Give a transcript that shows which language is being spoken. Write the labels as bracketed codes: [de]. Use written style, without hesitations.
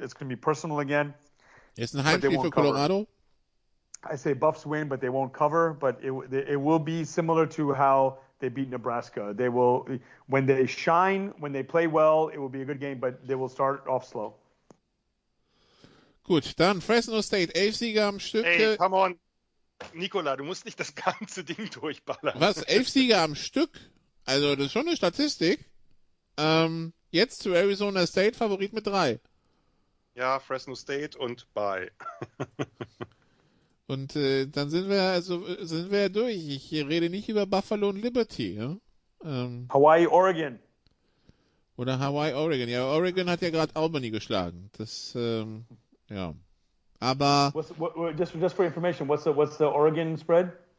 [en] It's going to be personal again. It's a Heimspiel for Colorado. I say Buffs win, but they won't cover. But it will be similar to how they beat Nebraska. They will, when they shine, when they play well, it will be a good game. But they will start off slow. [de] Gut, dann Fresno State, 11 Sieger am Stück. [en] Hey, come on. [de] Nikola, du musst nicht das ganze Ding durchballern. Was? 11 Sieger am Stück? Also, das ist schon eine Statistik. Jetzt zu Arizona State, Favorit mit 3. Ja, Fresno State und bye. Und dann sind wir ja durch. Ich rede nicht über Buffalo und Liberty. Ja? Hawaii, Oregon. Oder Hawaii, Oregon. Ja, Oregon hat ja gerade Albany geschlagen. Das, ja. Aber... [en] Just for information, what's the Oregon spread?